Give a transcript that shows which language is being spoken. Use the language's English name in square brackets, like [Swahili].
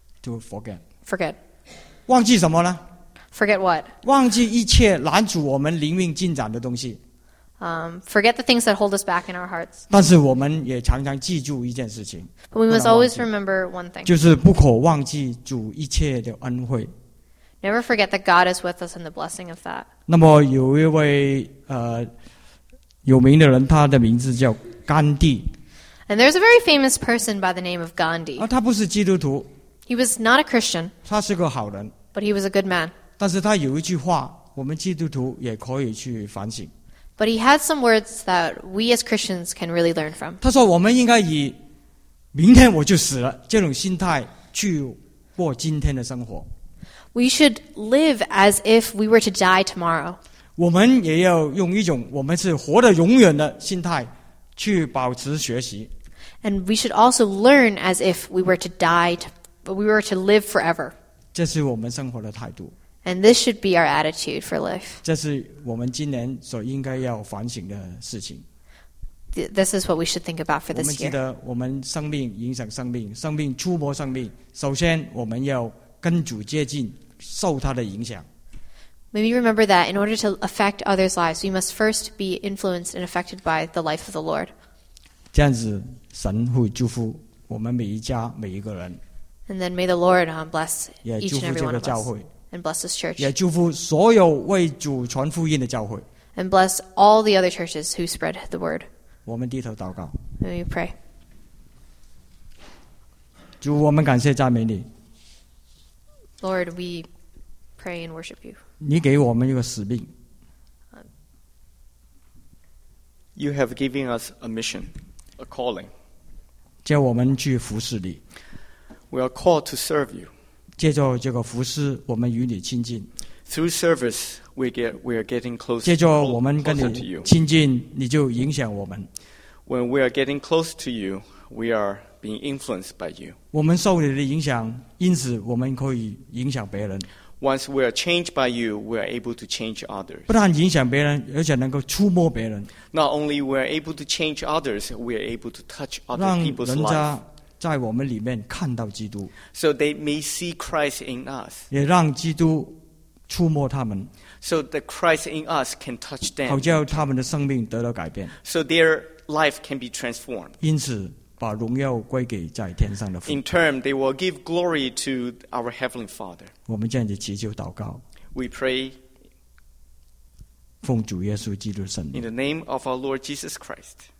[English] To forget. Forget. [Chinese] 忘记什么呢？ [English] Forget what? [Chinese] 忘记一切拦阻我们灵命进展的东西。 [English] Forget the things that hold us back in our hearts. [Chinese] 但是我们也常常记住一件事情。 [English] But we must always remember one thing. [Chinese] 就是不可忘记主一切的恩惠。 [English] Never forget that God is with us and the blessing of that. [Chinese] 那么有一位有名的人，他的名字叫甘地。 [English] And there's a very famous person by the name of Gandhi. [Chinese] 他不是基督徒。 [English] He was not a Christian. [Chinese] 他是个好人。 [English] But he was a good man. [Chinese] 但是他有一句话，我们基督徒也可以去反省。 [English] But he had some words that we as Christians can really learn from. [Chinese] 他说我们应该以明天我就死了这种心态去过今天的生活。 [English] We should live as if we were to die tomorrow. [Chinese] 我们也要用一种我们是活得永远的心态去保持学习。 [English] And we should also learn as if we were to live forever. [Chinese] 这是我们生活的态度。 [English] And this should be our attitude for life. [Chinese] 这是我们今年所应该要反省的事情。 [English] This is what we should think about for this year. [Chinese] 我们记得我们生命影响生命，生命触摸生命。首先，我们要跟主接近，受他的影响。 [English] May we remember that in order to affect others' lives, we must first be influenced and affected by the life of the Lord. [Chinese] 这样子，神会祝福我们每一家每一个人。 [English] And then may the Lord bless each and every one of us. And bless this church. [Chinese] 也祝福所有为主传福音的教会。 [English] And bless all the other churches who spread the word. [Chinese] 我们低头祷告。 [English] May we pray. [Chinese] 主，我们感谢赞美你。 [English] Lord, we pray and worship you. [Chinese] 你给我们一个使命。 [English] You have given us a mission, a calling. [Chinese] 叫我们去服侍你。 [English] We are called to serve you. [Chinese] 借着这个服侍，我们与你亲近。 [English] Through service, we are getting close. [Chinese] 借着我们跟你亲近，你就影响我们。 [English] When we are getting close to you, we are being influenced by you. [Chinese] 我们受你的影响，因此我们可以影响别人。 [English] Once we are changed by you, we are able to change others. [Chinese] 不但影响别人，而且能够触摸别人。 [English] Not only we are able to change others, we are able to touch other people's [Chinese] 让人家在我们里面看到基督。 [English] So they may see Christ in us. [Chinese] 也让基督触摸他们。 [English] So that Christ in us can touch them. [Chinese] 好叫他们的生命得到改变。 [English] So their life can be transformed. [Chinese] 因此把荣耀归给在天上的父。 [English] In turn, they will give glory to our Heavenly Father. [Chinese] 我们这样子祈求祷告。 [English] We pray. [Chinese] 奉主耶稣基督的圣名。 [English] In the name of our Lord Jesus Christ.